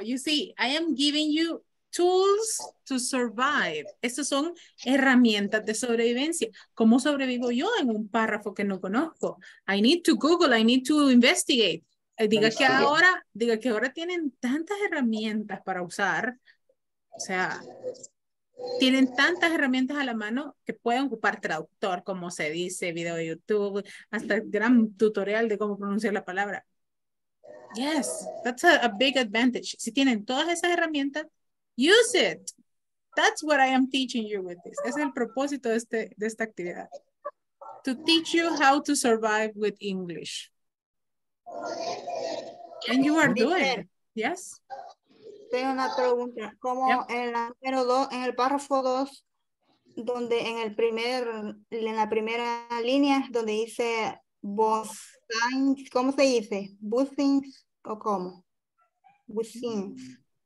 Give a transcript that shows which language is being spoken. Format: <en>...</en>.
<en>You see, I am giving you tools to survive.</en> <es>Estos son herramientas de sobrevivencia. ¿Cómo sobrevivo yo en un párrafo que no conozco?</es> <en>I need to Google. I need to investigate.</en> <es>Diga que ahora tienen tantas herramientas para usar. O sea, tienen tantas herramientas a la mano que pueden ocupar traductor, como se dice, video de YouTube, hasta el gran tutorial de cómo pronunciar la palabra.</es> <en>Yes, that's a big advantage.</en> <es>Si tienen todas esas herramientas,</es> <en>use it. That's what I am teaching you with this.</en> <es>Es el propósito de esta actividad.</es> <en>To teach you how to survive with English. And you are doing it. Yes.</en> <es>Tengo una pregunta, como en la número 2, en el párrafo 2, donde en el primer, en la primera línea, donde dice ¿cómo se dice? ¿Business o cómo? Business.</es>